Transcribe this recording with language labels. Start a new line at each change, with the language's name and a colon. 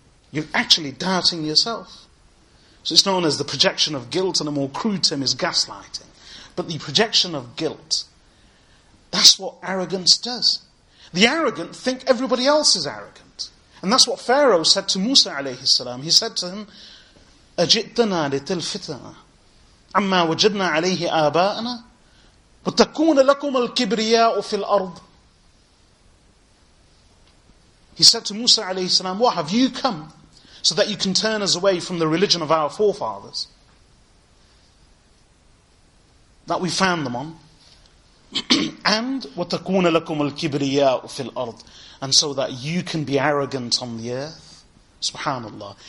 English: You're actually doubting yourself. So it's known as the projection of guilt, and a more crude term is gaslighting. But the projection of guilt, that's what arrogance does. The arrogant think everybody else is arrogant. And that's what Pharaoh said to Musa alayhi salam. He said to him,
Arabic: أَجِئْتَنَا لِتَلْفِتَنَا عَمَّا وَجَدْنَا عَلَيْهِ آبَاءَنَا وَتَكُونَ لَكُمَ الْكِبْرِيَاءُ فِي الْأَرْضِ.
English: He said to Musa alayhi salam, what have you come so that you can turn us away from the religion of our forefathers that we found them on? And
Arabic: وَتَكُونَ لَكُمَ الْكِبْرِيَاءُ فِي الْأَرْضِ,
English: and so that you can be arrogant on the earth. Subhanallah.